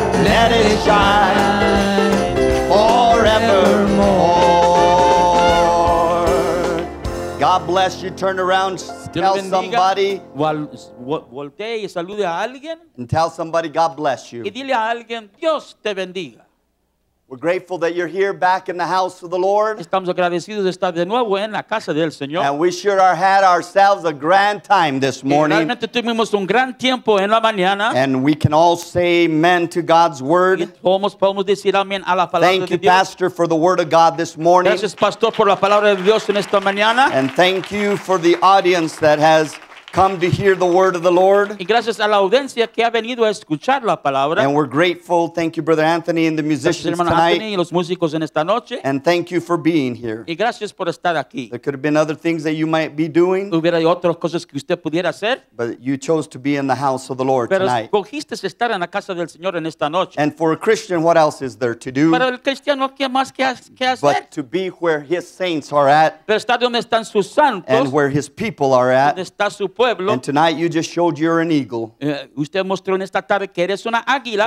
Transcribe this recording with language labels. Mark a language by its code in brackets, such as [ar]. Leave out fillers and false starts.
[en] Let it shine forevermore. God bless you. Turn around. Tell somebody, [es] voltee y salude a alguien. [en] And tell somebody, God bless you. [es] Y dile a alguien, Dios te bendiga. [en] We're grateful that you're here back in the house of the Lord. [es] Estamos agradecidos de estar de nuevo en la casa del Señor. [en] And we sure are had ourselves a grand time this morning. [es] Y realmente tuvimos un gran tiempo en la mañana. [en] And we can all say amen to God's word. [es] Y todos podemos decir amén a la palabra [en] thank [es] de [en] you, [es] Dios. [en] Pastor, for the word of God this morning. [es] Gracias, Pastor, por la palabra de Dios en esta mañana. [en] And thank you for the audience that has come to hear the word of the Lord. [es] Y gracias a la audiencia que ha venido a escuchar la palabra. [en] And we're grateful. Thank you, Brother Anthony and the musicians [es] gracias, [en] tonight. [es] Anthony y los músicos en esta noche. [en] And thank you for being here. [es] Y gracias por estar aquí. [en] There could have been other things that you might be doing. [es] Hubiera otras cosas que usted pudiera hacer. [en] But you chose to be in the house of the Lord [es] pero [en] tonight. [es] Pero escogiste estar en la casa del Señor en esta noche. [en] And for a Christian, what else is there to do? [es] Para el cristiano, ¿qué más que hacer? [en] But to be where his saints are at. [es] Pero estar donde están sus santos. [en] And where his people are at. [es] Donde está su. [en] And tonight you just showed you're an eagle. [es] Usted mostró en esta tarde que eres una águila.